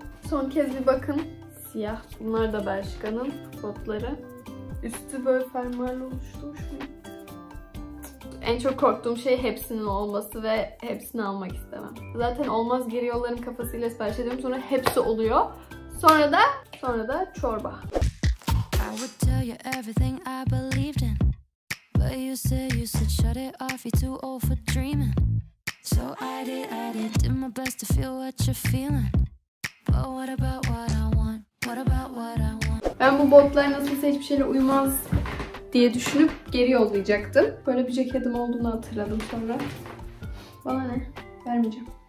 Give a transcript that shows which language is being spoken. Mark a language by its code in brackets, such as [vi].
[tr] Son kez bir bakın. Siyah. Bunlar da Bershka'nın botları. Üstü böyle fermuarlı oluşturmuş. En çok korktuğum şey hepsinin olması ve hepsini almak istemem. Zaten olmaz geri yolların kafasıyla sipariş ediyorum. Sonra hepsi oluyor. Sonra da çorba. [en] I would tell you everything I believed in, but you said, you said shut it off, you're too old for dreaming. So I did my best to feel what you're feeling. But what about what I want? What about what I want? [tr] Ben bu botlar nasılsa hiçbir şeyle uymaz diye düşünüp geri yollayacaktım. Böyle bir ceketim olduğunu hatırladım sonra. Bana ne? Vermeyeceğim.